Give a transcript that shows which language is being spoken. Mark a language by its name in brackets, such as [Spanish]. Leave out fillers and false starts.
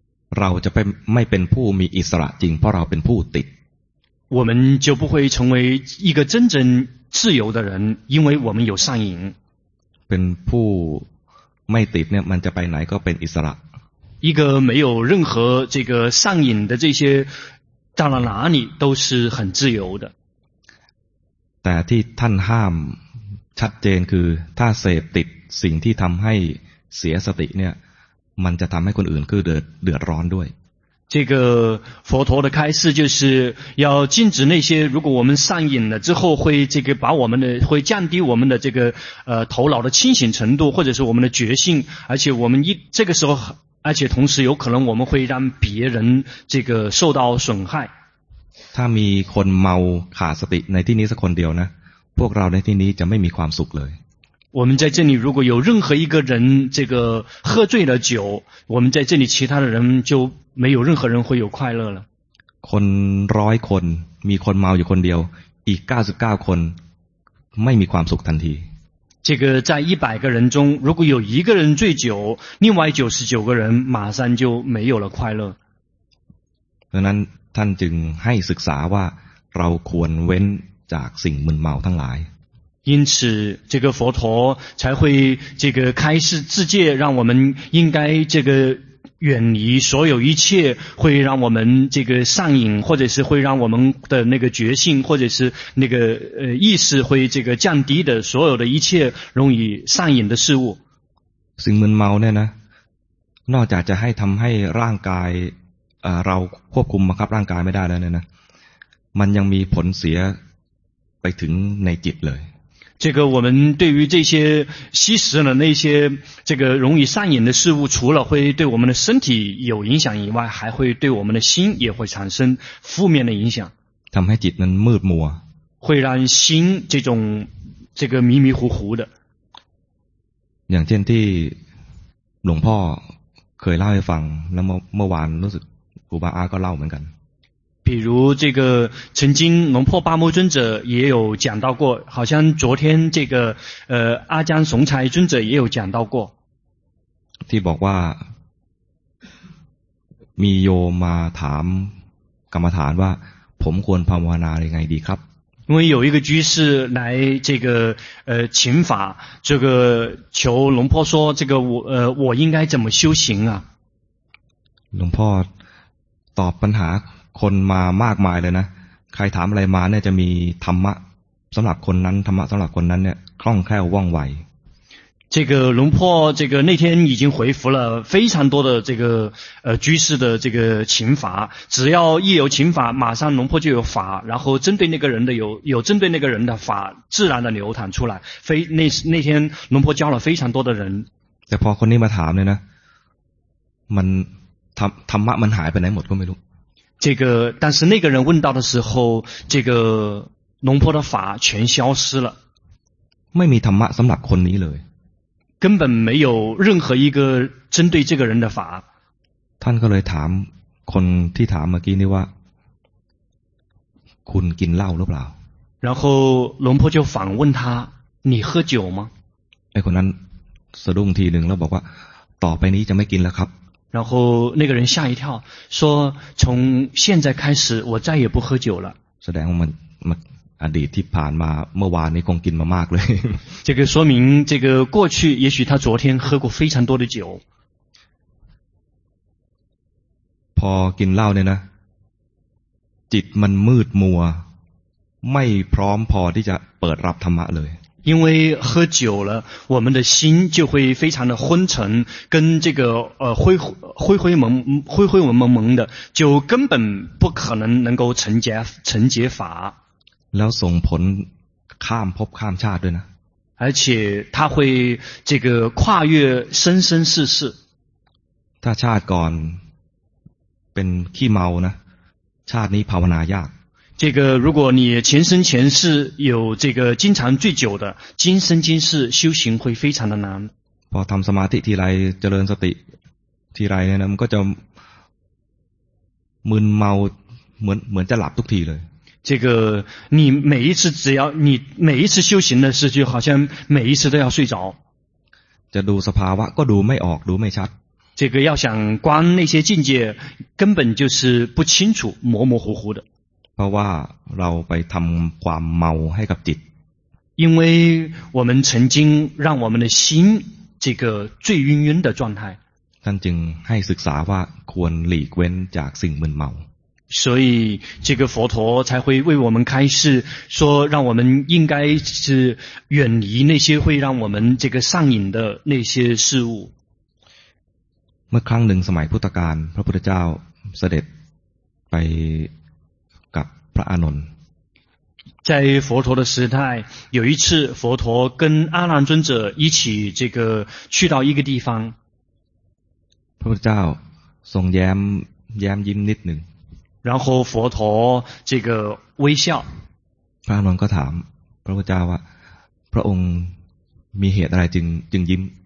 [Thai] เราจะไม่เป็นผู้มีอิสระจริงเพราะเราเป็นผู้ติด。 [Chinese] 我们就不会成为一个真正自由的人，因为我们有上瘾。 [Thai] เป็นผู้ไม่ติดเนี่ยมันจะไปไหนก็เป็นอิสระ。 [Chinese] 一个没有任何这个上瘾的这些到了哪里都是很自由的 [Thai] แต่ที่ท่านห้ามชัดเจนคือถ้าเสพติดสิ่งที่ทำให้เสียสติเนี่ยมันจะทำให้คนอื่นคือเดือดร้อนด้วย [Chinese] 这个佛陀的开示就是要禁止那些如果我们上瘾了之后会这个把我们的会降低我们的这个头脑的清醒程度或者是我们的觉性而且我们这个时候而且同时有可能我们会让别人这个受到损害 [Thai] ถ้ามีคนเมาขาดสติในที่นี้สักคนเดียวนะพวกเราในที่นี้จะไม่มีความสุขเลย [Chinese] 我们在这里如果有任何一个人这个喝醉了酒我们在这里其他的人就没有任何人会有快乐了 [Thai] คน100คนมีคนเมาอยู่คนเดียวอีก99คนไม่มีความสุขทันที [Chinese] 这个在100个人中如果有一个人醉酒另外99个人马上就没有了快乐。 [Thai] ดังนั้นท่านจึงให้ศึกษาว่าเราควรเว้นจากสิ่งมึนเมาทั้งหลาย。 [Chinese] 因此这个佛陀才会这个开示自戒让我们应该这个远离所有一切会让我们这个上瘾或者是会让我们的那个觉性或者是那个意识会这个降低的所有的一切容易上瘾的事物。 [Thai] สิ่งมึนเมาเนี่ยนะนอกจากจะให้ทำให้ร่างกายเราควบคุมบังคับร่างกายไม่ได้แล้วเนี่ยนะมันยังมีผลเสียไปถึงในจิตเลย [Chinese] 这个我们对于这些吸食的那些这个容易上瘾的事物除了会对我们的身体有影响以外还会对我们的心也会产生负面的影响 [Thai] ทำให้จิตนั้นมืดมัว [Chinese] 会让心这种这个迷迷糊糊的 [Thai] อย่างเช่นที่หลวงพ่อเคยเล่าให้ฟังแล้วเมื่อวานรู้สึกครูบาอาก็เล่าเหมือนกัน [Chinese] 比如这个曾经龙破八摩尊者也有讲到过好像昨天这个阿江雄才尊者也有讲到过 [Thai] ที่บอกว่ามีโยมมาถามกรรมฐานว่าผมควรภาวนาอย่างไรดีครับ [Chinese] 因为有一个居士来这个请法，这个求龙婆说，这个我应该怎么修行啊？ [Thai] 龙婆ตอบปัญหาคนมามากมายเลยนะใครถามอะไรมาเนี่ยจะมีธรรมะสำหรับคนนั้นธรรมะสำหรับคนนั้นเนี่ยคล่องแคล่วว่องไว [Chinese] 这个龙婆这个那天已经回复了非常多的这个居士的这个请法，只要一有请法，马上龙婆就有法，然后针对那个人的有针对那个人的法自然的流淌出来。那天龙婆教了非常多的人。 [Thai] แต่พอคนนี้มาถามเนี่ยนะมันธรรมะมันหายไปไหนหมดก็ไม่รู้ [Chinese] 这个但是那个人问到的时候，这个龙婆的法全消失了。 [Thai] ไม่มีธรรมะสำหรับคนนี้เลย [Chinese] 根本没有任何一个针对这个人的法。 [Thai] ท่านก็เลยถามคนที่ถามเมื่อกี้นี่ว่าคุณกินเหล้าหรือเปล่า [Chinese] 然后龙婆就反问他你喝酒吗 [Thai] ไอ้คนนั้นสะดุ้งทีหนึ่งแล้วบอกว่าต่อไปนี้จะไม่กินแล้วครับ [Chinese] 然后那个人吓一跳说从现在开始我再也不喝酒了 [Thai] แสดงว่ามันอดีตที่ผ่านมาเมื่อวานนี้คงกินมามากเลย [Chinese] 这个说明这个过去也许他昨天喝过非常多的酒 [Thai] พอกินเหล้าเนี่ยนะจิตมันมืดมัวไม่พร้อมพอที่จะเปิดรับธรรมะเลย [Chinese] 因为喝酒了我们的心就会非常的昏沉跟这个灰蒙蒙的就根本不可能能够承接法 [Thai] แล้วส่งผลข้ามภพข้ามชาติด้วยนะ [Chinese] 而且他会这个跨越生生世世 [Thai] ถ้าชาติก่อนเป็นขี้เมานะชาตินี้ภาวนายาก [Chinese] 这个如果你前生前世有这个经常醉酒的今生今世修行会非常的难 [Thai] พอทำสมาธิทีไรเจริญสติทีไรเนี่ยมันก็จะมึนเมาเหมือนจะหลับทุกทีเลย [Chinese] 这个你每一次只要你每一次修行的事就好像每一次都要睡着 [Thai] จะดูสภาวะก็ดูไม่ออกดูไม่ชัด [Chinese] 这个要想观那些境界根本就是不清楚模模糊糊的 [Thai] เพราะว่าเราไปทำความเมาให้กับจิต [Chinese] 因为我们曾经让我们的心这个醉晕晕的状态 [Thai] ท่านจึงให้ศึกษาว่าควรหลีกเว้นจากสิ่งมึนเมา [Chinese] 所以这个佛陀才会为我们开示说让我们应该是远离那些会让我们这个上瘾的那些事物 [Thai] เมื่อครั้งหนึ่งสมัยพุทธกาลพระพุทธเจ้าเสด็จไปกับพระอานนท์ [Chinese] 在佛陀的时代有一次佛陀跟阿难尊者一起这个去到一个地方 [Thai] พระพุทธเจ้าทรงแย้มยิ้มนิดหนึ่ง [Chinese] 然后佛陀这个微笑 [Thai] พระอานนท์ก็ถามพระพุทธเจ้าว่าพระองค์มีเหตุอะไรจึงยิ้ม